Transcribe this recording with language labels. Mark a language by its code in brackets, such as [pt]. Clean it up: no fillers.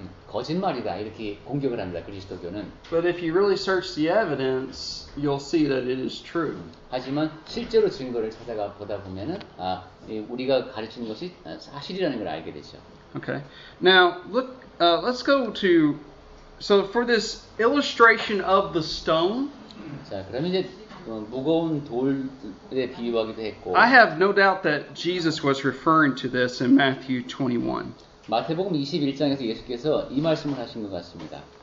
[ko] 거짓말이다 이렇게 공격을 합니다 그리스도교는. [en] But if you really search the evidence, you'll see that it is true. [ko] 하지만 실제로 증거를 찾아가 보다 보면은 아 우리가 가르치는 것이 사실이라는 걸 알게 되죠. [en] Okay. Now look. Let's go to. So for this illustration of the stone. [ko] 자 그럼 이제 무거운 돌에 비유하기도 했고. [en] I have no doubt that Jesus was referring to this in Matthew 21. [ko] 마태복음 21장에서 예수께서 이 말씀을 하신 것 같습니다.